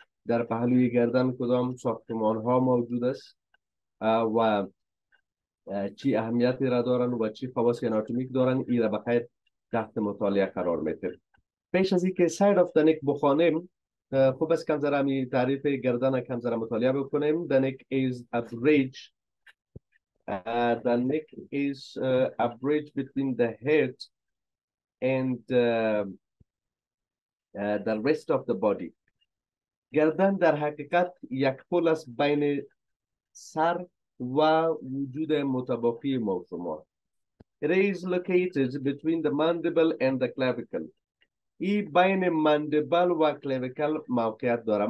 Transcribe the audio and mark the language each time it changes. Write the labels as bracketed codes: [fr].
[fa] در پهلوی گردن کدام ساختمان ها موجود است و چی اهمیتی را دارن و چی خواص آناتومیک دارن، این را بخیر تحت مطالعه قرار میدیم. پیش از اینکه سایت آف د نک بخوانیم، خوب است کم ذره می تعریف گردن کم ذره مطالعه بکنیم. [en] The neck از a bridge the neck is a bridge between the head and the rest of the body. [fa] گردن در حقیقت یک پل است بین سر و وجود متبافی ما شما. [en] It is located between the mandible and the clavicle. [fa] ای بین مندبل و کلاویکل موقعیت دارد.